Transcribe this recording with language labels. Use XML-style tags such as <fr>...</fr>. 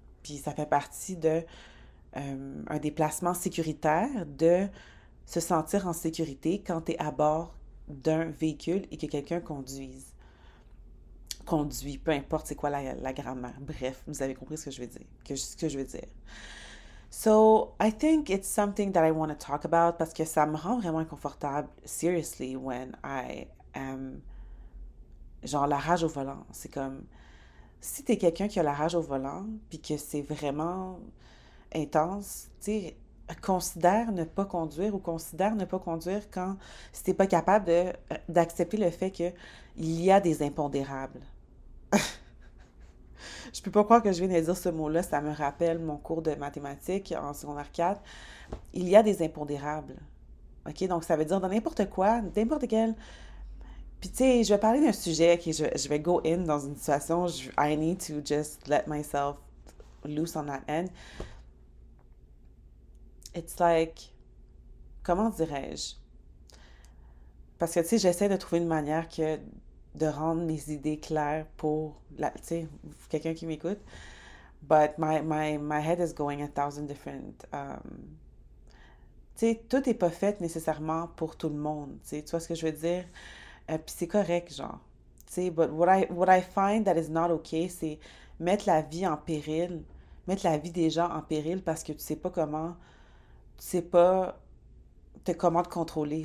<fr>Puis ça fait partie de un déplacement sécuritaire, de se sentir en sécurité quand tu es à bord d'un véhicule et que quelqu'un conduise. Conduit, peu importe c'est quoi la grammaire. Bref, vous avez compris ce que je veux dire. Ce que je veux dire.</fr> <en>So, I think it's something that I want to talk about</en> <fr>parce que ça me rend vraiment inconfortable,</fr> <en>seriously, when I am.</en> <fr>Genre, la rage au volant. C'est comme. Si t'es quelqu'un qui a la rage au volant, puis que c'est vraiment intense, tu sais, considère ne pas conduire ou considère ne pas conduire quand si t'es pas capable de d'accepter le fait que il y a des impondérables. Je peux pas croire que je viens de dire ce mot-là, ça me rappelle mon cours de mathématiques en secondaire 4. Il y a des impondérables. OK, donc ça veut dire dans n'importe quoi, n'importe quel. Puis, tu sais, je vais parler d'un sujet, okay, je vais go in dans une situation,</fr> <en>I need to just let myself loose on that end. It's like,</en> <fr>comment dirais-je? Parce que, tu sais, j'essaie de trouver une manière que de rendre mes idées claires pour la, tu sais, quelqu'un qui m'écoute.</fr> <en>But my head is going a thousand different.</en> <fr>Tu sais, tout n'est pas fait nécessairement pour tout le monde. Tu vois ce que je veux dire? Puis c'est correct, genre. Tu sais,</fr> <en>but what I find that is not okay,</en> <fr>c'est mettre la vie en péril, mettre la vie des gens en péril parce que tu sais pas comment, tu sais pas te, comment te contrôler.</fr>